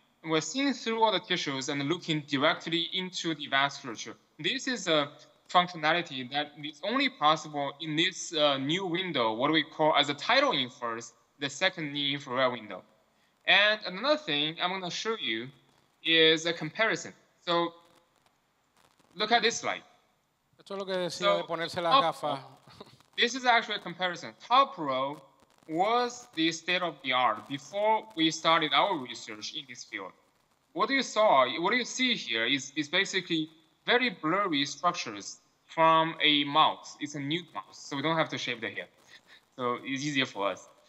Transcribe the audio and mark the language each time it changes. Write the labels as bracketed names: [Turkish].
[English] We're seeing through all the tissues and looking directly into the vasculature. This is a functionality that is only possible in this new window, what we call as a tidal inverse, the second infrared window. And another thing I'm going to show you is a comparison. So look at this slide. [Spanish] Esto es lo que decía de ponerse las gafas. [English] This is actually a comparison. Top row was the state of the art before we started our research in this field. What you see here is basically very blurry structures from a mouse. It's a nude mouse, so we don't have to shave the hair. So it's easier for us.